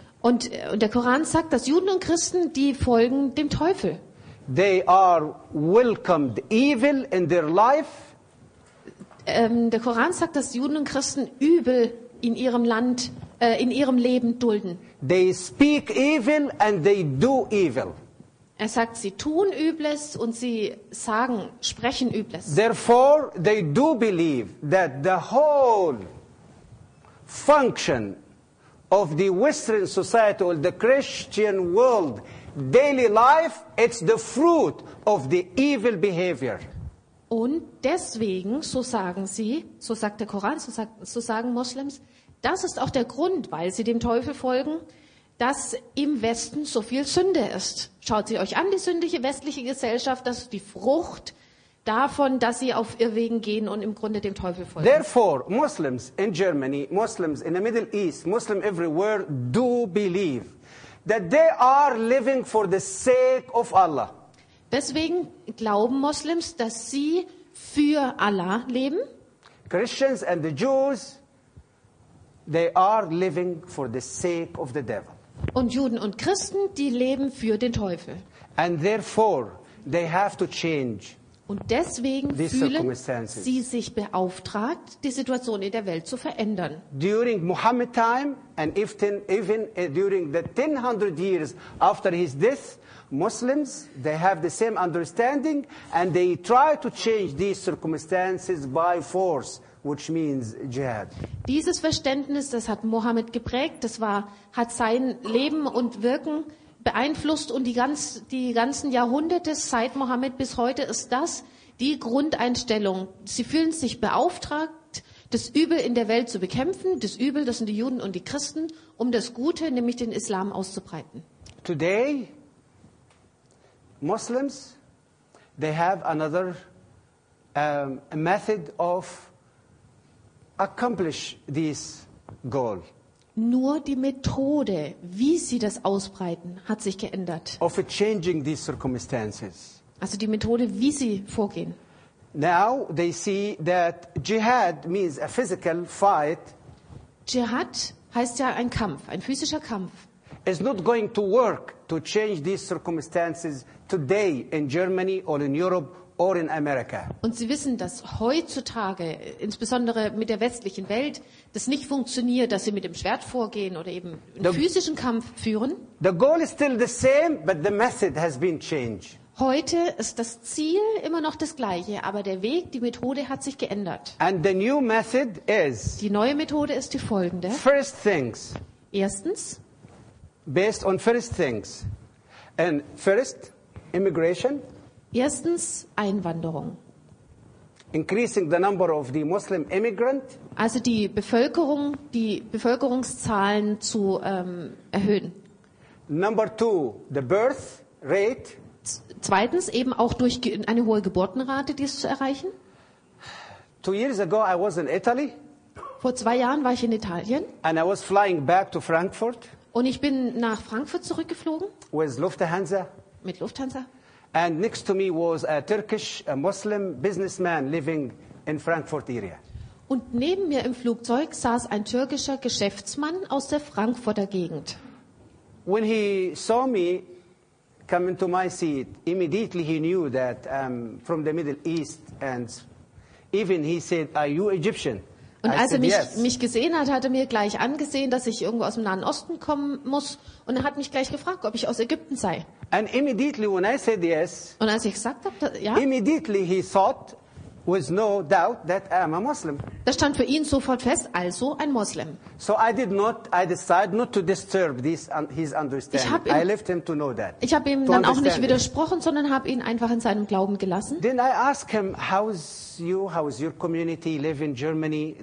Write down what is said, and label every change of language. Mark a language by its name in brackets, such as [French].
[German] Und der Koran sagt, dass Juden und Christen, die folgen dem Teufel. [English] They are welcomed evil in their life. [German] Der Koran sagt, dass Juden und Christen Übel in ihrem Land, in ihrem Leben dulden. [English] They speak evil and they do evil. [German] Er sagt, sie tun Übles und sie sagen, sprechen Übles. [English] Therefore, they do believe that the whole function of the Western society or the Christian world daily life, it's the fruit of the evil behavior. [German] Und deswegen, so sagen sie, so sagt der Koran, so sagen Moslems, das ist auch der Grund, weil sie dem Teufel folgen, dass im Westen so viel Sünde ist. Schaut sie euch an, die sündige westliche Gesellschaft, das ist die Frucht davon, dass sie auf Irrwegen gehen und im Grunde dem Teufel folgen. [English] Therefore, Muslims in Germany, Muslims in the Middle East, Muslims everywhere do believe that they are living for the sake of Allah. [German] Deswegen glauben Muslims, dass sie für Allah leben. [English] Christians and the Jews, they are living for the sake of the devil. [German] Und Juden und Christen, die leben für den Teufel. [English] And therefore, they have to change. [German] Und deswegen fühlen sie sich beauftragt, die Situation in der Welt zu verändern. [English] During Muhammad time and even during the 1000 years after his death, Muslims, they have the same understanding and they try to change these circumstances by force, which means jihad. [German] Dieses Verständnis, das hat Mohammed geprägt, das war, hat sein Leben und Wirken beeinflusst und die ganzen Jahrhunderte seit Mohammed bis heute ist das die Grundeinstellung. Sie fühlen sich beauftragt, das Übel in der Welt zu bekämpfen, das Übel, das sind die Juden und die Christen, um das Gute, nämlich den Islam, auszubreiten. [English] Today, Muslims, they have another method of accomplish this goal. [German] Nur die Methode, wie sie das ausbreiten, hat sich geändert. [English] Of changing these circumstances. [German] Also die Methode, wie sie vorgehen. [English] Now they see that jihad means a physical fight. [German] Jihad heißt ja ein Kampf, ein physischer Kampf. [English] It's not going to work to change these circumstances today in Germany or in Europe. Or in America. [German] Und sie wissen, dass heutzutage, insbesondere mit der westlichen Welt, das nicht funktioniert, dass sie mit dem Schwert vorgehen oder eben einen physischen Kampf führen. [English] The goal is still the same, but the method has been changed. [German] Heute ist das Ziel immer noch das gleiche, aber der Weg, die Methode hat sich geändert. [English] And the new method is, [German] die neue Methode ist die folgende. [English] First things. [German] Erstens. [English] Based on first things. And first, immigration. [German] Erstens Einwanderung. [English] increasing the number of the Muslim immigrant. [German] Also die Bevölkerungszahlen zu erhöhen. [English] Number two, the birth rate. [German] Zweitens eben auch durch eine hohe Geburtenrate dies zu erreichen. [English] 2 years ago I was in Italy. [German] Vor 2 Jahren war ich in Italien. [English] And I was flying back to Frankfurt. [German] Und ich bin nach Frankfurt zurückgeflogen. [English] With Lufthansa. [German] Mit Lufthansa. [English] And next to me was a Turkish Muslim businessman living in Frankfurt area. [German] Und neben mir im Flugzeug saß ein türkischer Geschäftsmann aus der Frankfurter Gegend. [English] When he saw me come into my seat, immediately he knew that I'm from the Middle East, and even he said, "Are you Egyptian?" [German] Und als er mich gesehen hat, hat er mir gleich angesehen, dass ich irgendwo aus dem Nahen Osten kommen muss. Und er hat mich gleich gefragt, ob ich aus Ägypten sei. [English] And immediately when I said yes, [German] und als ich gesagt habe, ja, [English] immediately he thought, with no doubt, that I am a Muslim. [German] Das stand für ihn sofort fest, also ein Muslim. [English] So I decided not to disturb his understanding. I left him to know that. [German] Ich habe ihm dann auch nicht widersprochen, sondern habe ihn einfach in seinem Glauben gelassen. [English] Then I asked him, how is your community live in Germany?